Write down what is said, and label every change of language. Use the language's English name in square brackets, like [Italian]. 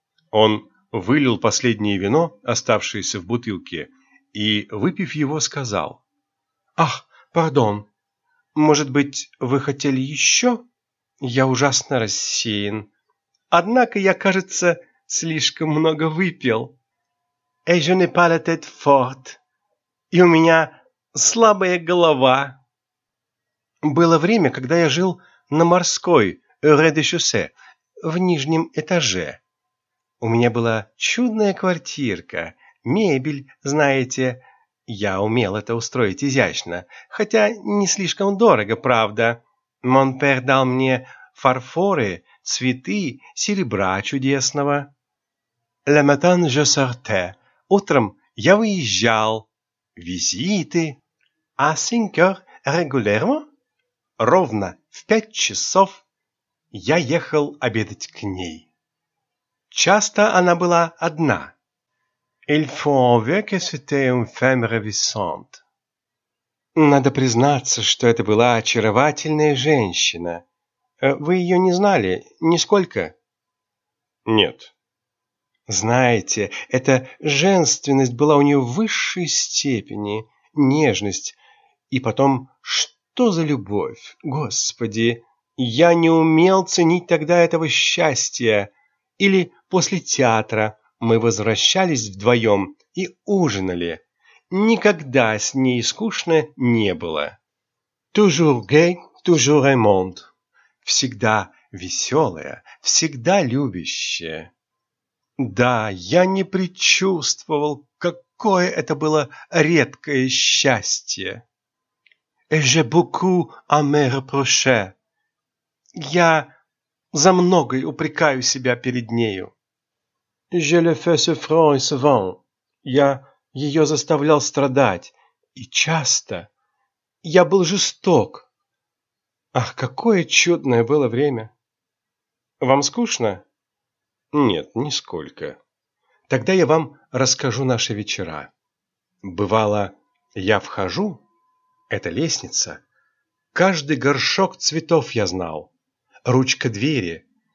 [Russian] Он вылил последнее вино, оставшееся в бутылке, и, выпив его, сказал: «Ах, пардон, может быть, вы хотели еще? Я ужасно рассеян. Однако я, кажется, слишком много выпил. [French] Et je n'ai pas la tête forte. [Russian] И у меня слабая голова. Было время, когда я жил на морской, [French] rez-de-chaussée, [Russian] в нижнем этаже. У меня была чудная квартирка, мебель, знаете. Я умел это устроить изящно, хотя не слишком дорого, правда. [French] Mon père [Russian] дал мне фарфоры, цветы, серебра чудесного. [French] Le matin, je sortais. [Russian] Утром я выезжал. Визиты. [French] À 5 heures régulièrement? [Russian] Ровно в 5 часов я ехал обедать к ней. Часто она была одна. [French] Il faut avouer que c'était une femme ravissante. [Russian] Надо признаться, что это была очаровательная женщина. Вы ее не знали нисколько? Нет. Знаете, эта женственность была у нее в высшей степени, нежность. И потом, что за любовь, Господи! Я не умел ценить тогда этого счастья. Или после театра мы возвращались вдвоем и ужинали. Никогда с ней скучно не было. [French] Toujours gay, toujours aimante. [Russian] Всегда веселая, всегда любящая. Да, я не предчувствовал, какое это было редкое счастье. [French] J'ai beaucoup à me reprocher. [Russian] Я за многое упрекаю себя перед нею. [French] Je le fais souffrir souvent. [Russian] Я ее заставлял страдать. И часто. Я был жесток. Ах, какое чудное было время! Вам скучно? Нет, нисколько. Тогда я вам расскажу наши вечера. Бывало, я вхожу, это лестница, каждый горшок цветов я знал, ручка двери.